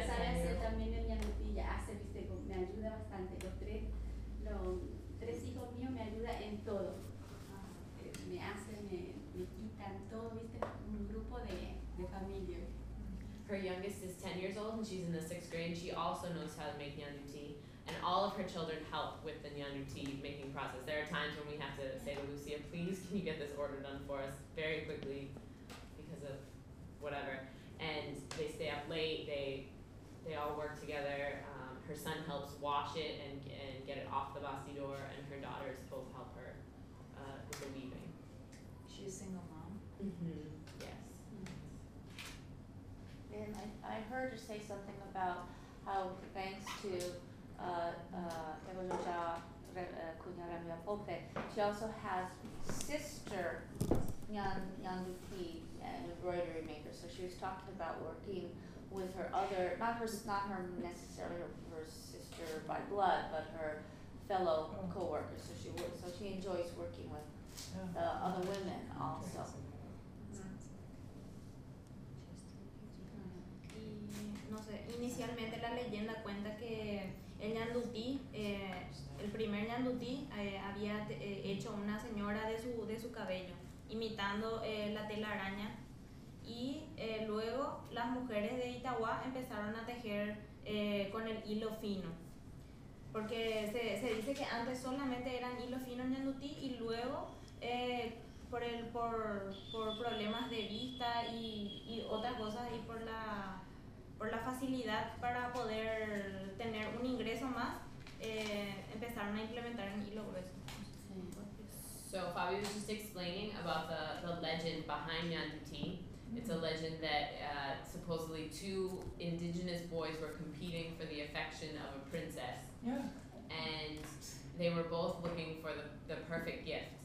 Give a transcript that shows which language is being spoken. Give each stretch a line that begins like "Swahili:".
Spanish: hace también en la rutilla, hace viste, me ayuda bastante. Los tres hijos míos me ayuda en todo. Me hacen, me quitan todo, viste, un grupo de familia.
English: Her youngest is 10 years old and she's in the 6th grade. She also knows how to make Nyanu tea. And all of her children help with the Nyanu tea making process. There are times when we have to say to Lucia, please, can you get this order done for us very quickly because of whatever. And they stay up late, they all work together. Her son helps wash it and get it off the bastidor, and her daughters both help her with the weaving. She's a single mom? Mm-hmm. Yes. Mm-hmm. And I heard her say something about how thanks to Evoluja Cunha Miapope, she also has sister Nyanduki and embroidery maker. So she was talking about working with her other, not her necessarily her sister by blood, but her fellow co-workers. So she enjoys working with other women also.
Spanish: Y no sé, inicialmente la leyenda cuenta que el Ñanduti, el primer Ñanduti había hecho una señora de su cabello, imitando la telaraña, y luego las mujeres de Itagua empezaron a tejer con el hilo fino. Porque se dice que antes solamente eran hilo fino Ñanduti y luego por problemas de vista y otras cosas y por la facilidad para poder tener un ingreso más empezaron a implementar en hilo grueso. Sí.
English: So Fabio was just explaining about the legend behind Nyandutin. Mm-hmm. It's a legend that supposedly two indigenous boys were competing for the affection of a princess. Yeah. And they were both looking for the perfect gift.